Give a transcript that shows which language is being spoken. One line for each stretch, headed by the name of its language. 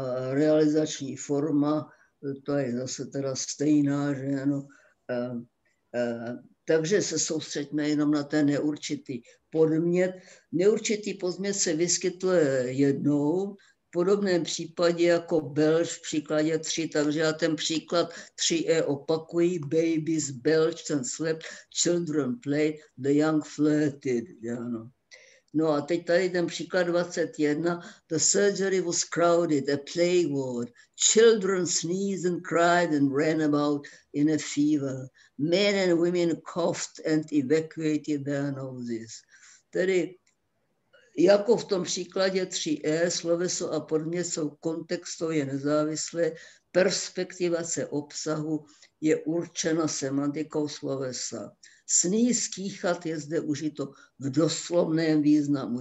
Czech: Realizační forma, to je zase teda stejná, že ano. Takže se soustřeďme jenom na ten neurčitý podmět. Neurčitý podmět se vyskytuje jednou, v podobném případě jako belž v příkladě 3, takže já ten příklad 3e opakuji.
English: Babies belch, ten slept, children play, the young flirted.
Czech: Ano. No a teď tady ten příklad 21.
English: The surgery was crowded, a play ward. Children sneezed and cried and ran about in a fever. Men and women coughed and evacuated their noses.
Czech: Tedy jako v tom příkladě 3e, sloveso a podmět jsou kontextově nezávislé, perspektivace obsahu je určena semantikou slovesa. Sníz kýchat je zde užito v doslovném významu.